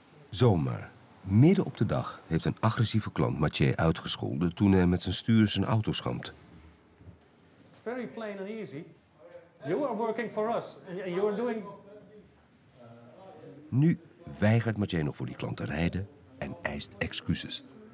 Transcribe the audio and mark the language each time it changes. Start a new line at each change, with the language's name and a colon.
Dutch: Zomer. Midden op de dag heeft een agressieve klant Mathieu uitgescholden toen hij met zijn stuur zijn auto schampt.
English: It's very plain and easy. You are working for us and you are doing.
Dutch: Nu weigert Mathieu nog voor die klant te rijden en eist excuses.